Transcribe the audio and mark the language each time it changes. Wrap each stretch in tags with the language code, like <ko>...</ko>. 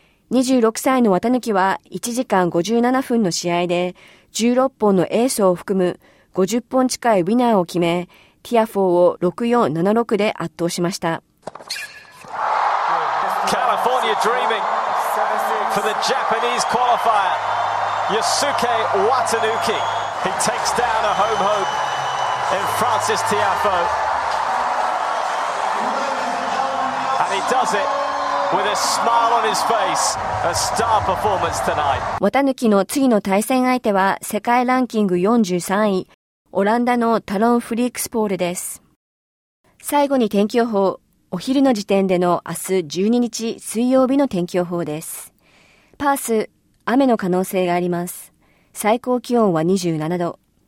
<ja>26歳の綿貫は1時間57分の試合で16本のエースを含む50本近いウィナーを決め、ティアフォーを 6-4、7-6 で圧倒しました。</ja> <en>カリフォルニアドリーミング for the Japanese qualifier Yusuke Watanuki。 He takes down a home hope in Francis Tiafoe. And he does it with a smile on his face. A star performance tonight.</en> <ja>綿貫の次の対戦相手は世界ランキング43位、オランダのタロン・フリークスポールです。最後に天気予報。お昼の時点での明日12日水曜日の天気予報です。パース、雨の可能性があります。最高気温は27度。</ja>